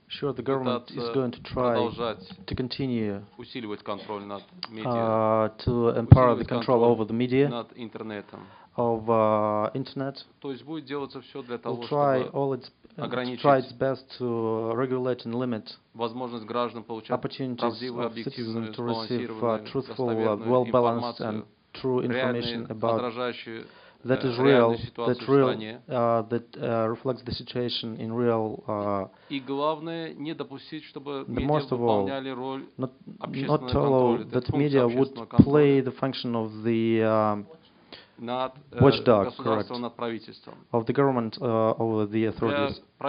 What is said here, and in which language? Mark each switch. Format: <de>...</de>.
<en>sure, the government is going to try to continue</en> <ru>усиливать контроль над медиа,</ru> <en>to empower the control over the media,</en> <ru>над интернетом,</ru> <en>of internet.</en> <ru>То есть будет делаться все для того,</ru> <en>try its best to regulate and limit</en> <ru>возможность граждан получать</ru> <en>opportunities of citizens to receive truthful, well-balanced and true information about that is real, that real, that reflects the situation in real.</en> <ru>И главное не допустить, чтобы медиа выполняли роль</ru> <en>not to allow that media would play the function of the watchdog, correct, of the government over the authorities.</en>